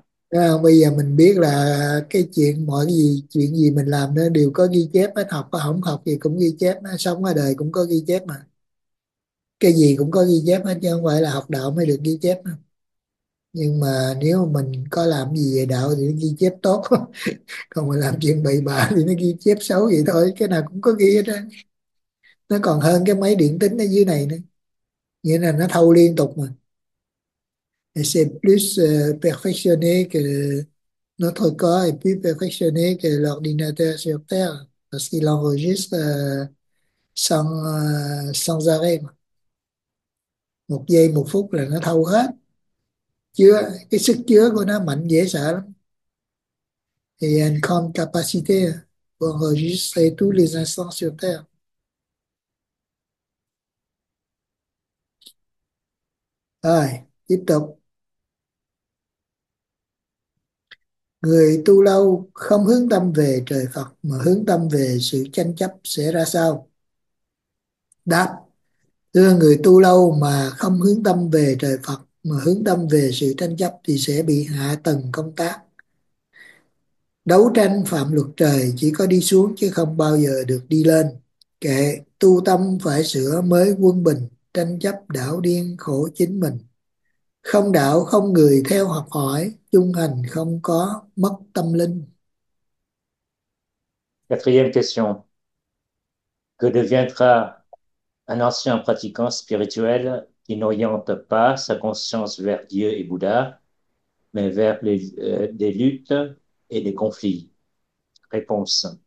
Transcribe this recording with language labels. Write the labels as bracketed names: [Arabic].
[Vietnamese] Đó, bây giờ mình biết là cái chuyện mọi cái gì, chuyện gì mình làm nó đều có ghi chép hết, học có không học gì cũng ghi chép, nó sống ở đời cũng có ghi chép mà, cái gì cũng có ghi chép hết chứ không phải là học đạo mới được ghi chép đó. Nhưng mà nếu mà mình có làm gì về đạo thì nó ghi chép tốt, còn mình làm chuyện bậy bạ thì nó ghi chép xấu vậy thôi, cái nào cũng có ghi hết á. Nó còn hơn cái máy điện tính ở dưới này nữa, nghĩa là nó thâu liên tục mà. [French] C'est plus perfectionné que notre corps est plus perfectionné que l'ordinateur sur Terre parce qu'il enregistre sans arrêt mà. [Vietnamese] Một giây một phút là nó thâu hết, chứa cái sức chứa của nó mạnh dễ sợ lắm. [French] Et une grande capacité pour enregistrer tous les instants sur Terre. [Vietnamese] Rồi, tiếp tục. Người tu lâu không hướng tâm về trời Phật mà hướng tâm về sự tranh chấp sẽ ra sao? Đáp: thưa người tu lâu mà không hướng tâm về trời Phật mà hướng tâm về sự tranh chấp thì sẽ bị hạ tầng công tác. Đấu tranh phạm luật trời chỉ có đi xuống chứ không bao giờ được đi lên. Kệ, tu tâm phải sửa mới quân bình, tranh chấp đảo điên khổ chính mình. Không đạo không người theo học hỏi, chung hành không có mất tâm linh. [French] Quatrième question. Que deviendra un ancien pratiquant spirituel qui n'oriente pas sa conscience vers Dieu et Bouddha, mais vers des luttes et des conflits? Réponse.